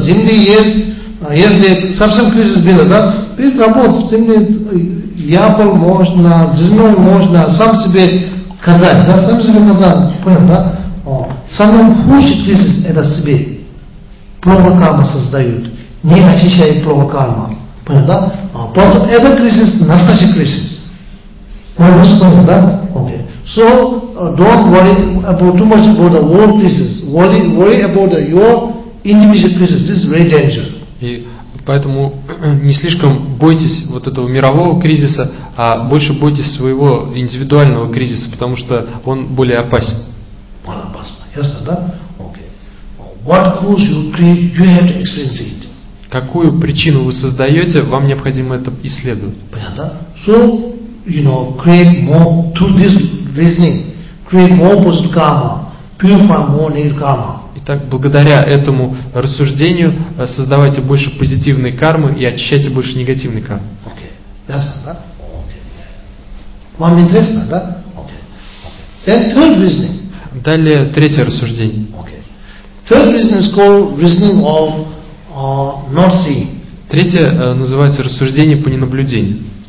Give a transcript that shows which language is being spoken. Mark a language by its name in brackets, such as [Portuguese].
[Russian] Земли есть, если совсем кризис был, да, без работы, земли, яблок можно, зерно можно, сам себе казать, да, сам себе казать, понятно, да? Самый худший кризис это себе, плохо карма создают, не очищает плохо карма, понятно, да? Потом этот кризис, настоящий кризис, понятно, да? [English] Okay. So, don't worry about too much about the world crisis, worry about your individual crisis. This is very dangerous. [Russian] И поэтому не слишком бойтесь вот этого мирового кризиса, а больше бойтесь своего индивидуального кризиса, потому что он более опасен. Более опасен. Ясно, да? Okay. [English] What cause you create, you have to experience it. [Russian] Какую причину вы создаете, вам необходимо это исследовать. [English] Понятно? So, you know, create more through this reasoning, create more positive karma, purify more negative karma. [Russian] Итак, благодаря этому рассуждению создавайте больше позитивной кармы и очищайте больше негативной кармы. [English] Okay. Yes, sir. Okay. Вам интересно, да? Then third reasoning. [Russian] Далее третье рассуждение. [English] Third reasoning is called reasoning of not seeing. [Russian] Третье называется рассуждение по ненаблюдению.